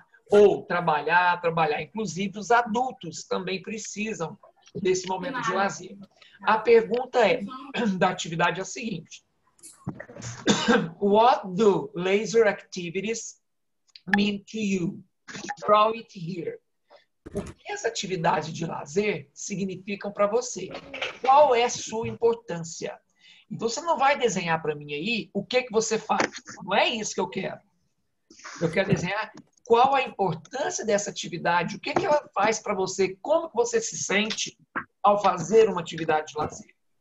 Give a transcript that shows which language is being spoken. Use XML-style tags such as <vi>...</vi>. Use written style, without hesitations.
<pt>Ou trabalhar. Inclusive, os adultos também precisam desse momento de lazer. A pergunta é, da atividade é a seguinte.</pt> <en>What do laser activities mean to you? Draw it here.</en> <pt>O que as atividades de lazer significam para você? Qual é a sua importância? Então, você não vai desenhar para mim aí o que, que você faz. Não é isso que eu quero. Eu quero desenhar qual a importância dessa atividade, o que, que ela faz para você, como que você se sente ao fazer uma atividade de lazer.</pt>